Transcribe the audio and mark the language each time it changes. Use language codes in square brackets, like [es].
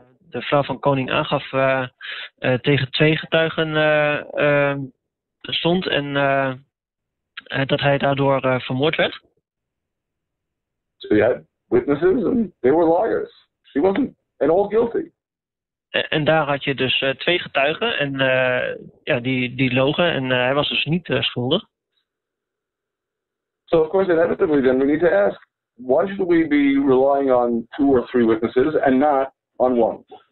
[nl] De vrouw van koning aangaf tegen twee getuigen stond en dat hij daardoor vermoord werd. [en] So he had witnesses and they were liars. He wasn't at all guilty. [nl] En daar had je dus twee getuigen en die logen en hij was dus niet schuldig. [en] So of course inevitably then we need to ask, why should we be relying on two or three witnesses and not on one?